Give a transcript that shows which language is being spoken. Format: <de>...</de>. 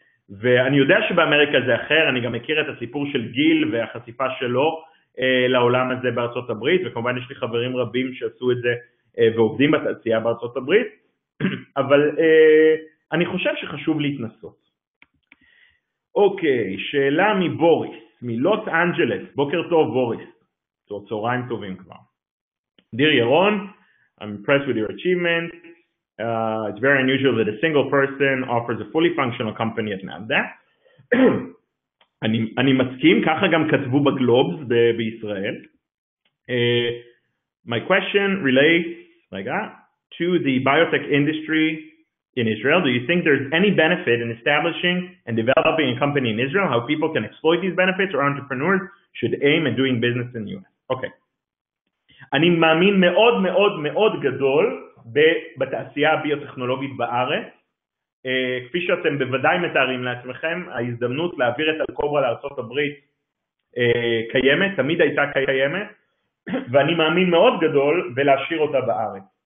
<he>ואני יודע שבאמריקה זה אחר, אני גם מכיר את הסיפור של גיל והחשיפה שלו לעולם הזה בארצות הברית, וכמובן יש לי חברים רבים שעשו את זה ועובדים בתעשייה בארצות הברית, אבל אני חושב שחשוב להתנסות. אוקיי, שאלה מבוריס. מלוס אנג'לס, בוקר טוב בוריס, צהריים טובים כבר.</he> <en>דיר ירון, I'm impressed with your achievement. It's very unusual that a single person offers a fully functional company at NASDAQ.</en> <he>אני מסכים, ככה גם כתבו בגלובס בישראל.</he> <en>My question relates,</en> <he>רגע,</he> <en>to the biotech industry in Israel. Do you think there's any benefit in establishing and developing a company in Israel? How people can exploit these benefits or entrepreneurs should aim at doing business in the US? Okay.</en> <he>אני מאמין מאוד מאוד מאוד גדול בתעשייה הביוטכנולוגית בארץ. כפי שאתם בוודאי מתארים לעצמכם, ההזדמנות להעביר את הקוברה לארצות הברית קיימת, תמיד הייתה קיימת, ואני מאמין מאוד גדול ולהשאיר אותה בארץ.</he>